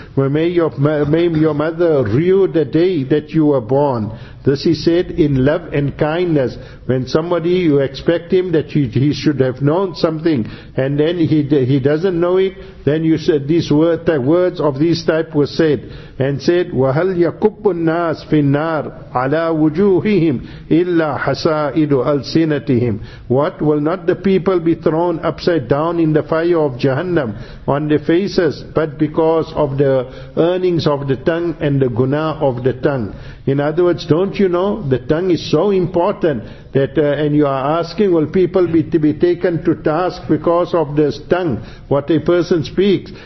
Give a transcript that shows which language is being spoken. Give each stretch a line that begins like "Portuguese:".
English: May your mother rue the day that you were born. This he said in love and kindness. When somebody, you expect him that he should have known something, and then he doesn't know it, then you said these words of this type were said. And said,
Arabic: وَهَلْ يَكُبُّ النَّاسِ فِي النَّارِ عَلَىٰ وُجُوهِهِمْ إِلَّا حَسَائِدُ أَلْسِنَتِهِمْ.
English: What, will not the people be thrown upside down in the fire of Jahannam on their faces, but because of the earnings of the tongue and the guna of the tongue? In other words, don't you know the tongue is so important that and you are asking, will people be taken to task because of this tongue, what a person speaks?